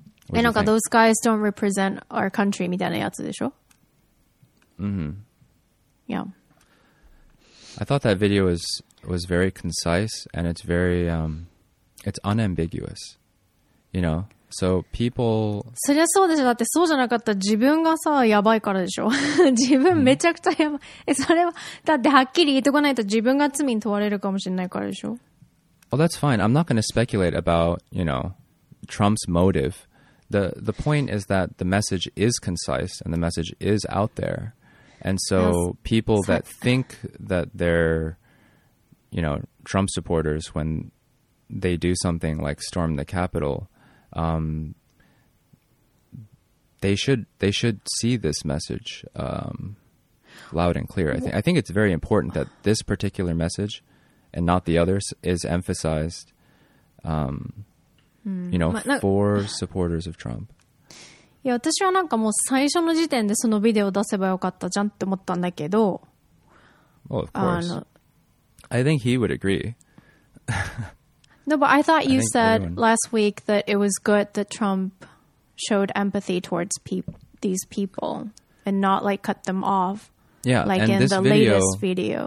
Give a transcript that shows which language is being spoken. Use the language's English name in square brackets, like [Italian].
[English] And [Japanese] なんか [English] those guys don't represent our country [Japanese] みたいなやつでしょ? [English] Mm-hmm. Yeah. I thought that video was very concise, and it's very, it's unambiguous, you know? So people... [Japanese] そりゃそうでしょ。だってそうじゃなかったら自分がさ、やばいからでしょ。自分めちゃくちゃやばい。それは、だってはっきり言っとかないと自分が罪に問われるかもしれないからでしょ。 [English] Well, that's fine. I'm not going to speculate about, you know, Trump's motive. The point is that the message is concise and the message is out there. And so people that think that they're, you know, Trump supporters when they do something like storm the Capitol, they should see this message loud and clear. I think it's very important that this particular message and not the others is emphasized. You know, for supporters of Trump. [Japanese] いや、私はなんかもう最初の時点でそのビデオを出せばよかったじゃんって思ったんだけど。 [English] Well, of course. I think he would agree. No, but I thought you said last week that it was good that Trump showed empathy towards these people and not like cut them off. Yeah, like and in this the video, latest video.